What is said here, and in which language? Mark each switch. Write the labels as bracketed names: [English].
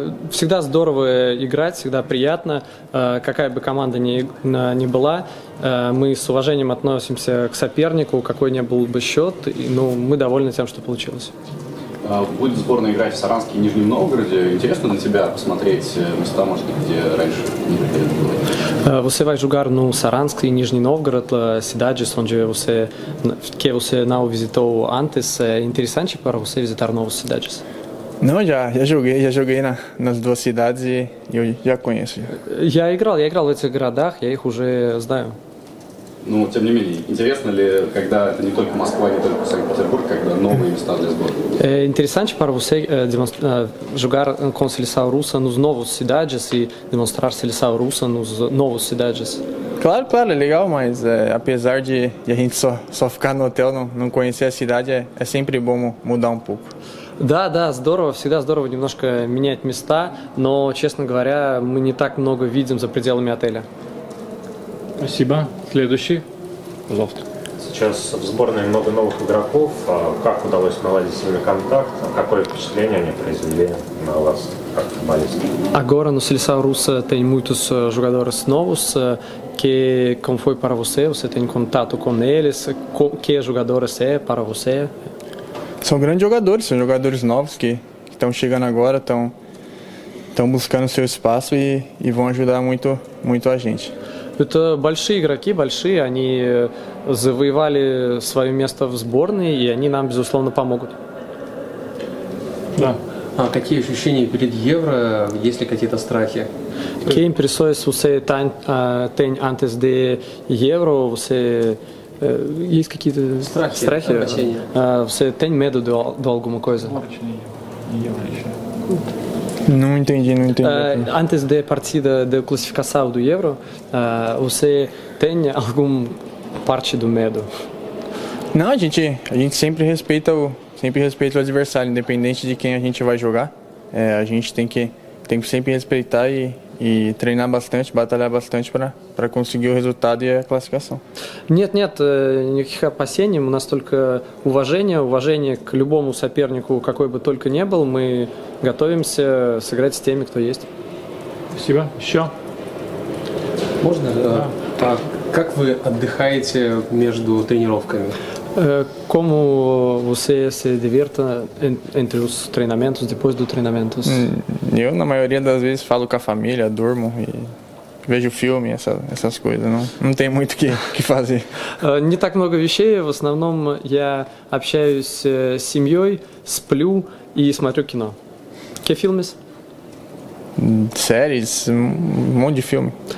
[Russian] Всегда здорово играть, всегда приятно, какая бы команда ни была. Мы с уважением относимся к сопернику, какой ни был бы счет, но мы довольны тем, что получилось. Будет сборная играть в Саранске и Нижнем Новгороде. Интересно для тебя посмотреть места, может, где раньше не приходили? [Portuguese] Você vai jogar no Saransk e Nizhny Novgorod, cidades onde você, que você não visitou antes. É interessante para você visitar novas cidades? Não, já joguei nas duas cidades e eu já conheço. [Russian] Я играл в этих городах, я их уже знаю. Ну, тем не менее, интересно ли, когда это не только Москва, не только Санкт-Петербург, когда новые места для сборной? [Portuguese] Интересно para você jogar com seleção russa nos novos cidades e demonstrar seleção russa nos novos cidades? Claro, legal, mas apesar de a gente só ficar no hotel, não conhecer a cidade, é sempre bom mudar um pouco. [Russian] Да, здорово, всегда здорово немножко менять места, но, честно говоря, мы не так много видим за пределами отеля. Спасибо. Следующий. Завтра. Сейчас в сборной много новых игроков. Как удалось наладить с ними контакт? Какое впечатление они произвели на вас? [Portuguese] Agora no Seleção Russa tem muitos jogadores novos, que como foi para você? Você tem contato com eles? Que jogadores é para você? São grandes jogadores, são jogadores novos que estão chegando agora, estão buscando seu espaço e vão ajudar muito, muito a gente. [Russian] Это большие игроки, большие, они завоевали свое место в сборной, и они нам, безусловно, помогут. Да. А какие ощущения перед Евро? Есть ли какие-то страхи? [Portuguese] Que impressões você tem antes de Euro? [Russian] Você, есть какие-то страхи? [Portuguese] Você tem medo de alguma coisa? Não entendi. Antes da partida da classificação do Euro, você tem algum parte do medo? Não, a gente sempre respeita o adversário, independente de quem a gente vai jogar. A gente tem que sempre respeitar e treinar bastante, batalhar bastante para conseguir o resultado e a classificação. [Russian] Нет, никаких опасений, у нас только уважение к любому сопернику, какой бы только ни был, мы готовимся сыграть с теми, кто есть. Спасибо. Еще? Можно? Да. Как вы отдыхаете между тренировками? [Portuguese] Como você se diverte entre os treinamentos, depois dos treinamentos? Eu, na maioria das vezes, falo com a família, durmo e vejo filme, essas coisas. Não tem muito o que fazer. [Russian] Не так много вещей. В основном я общаюсь с семьей, сплю и смотрю кино. [Portuguese] Que filmes? Séries, um monte de filme.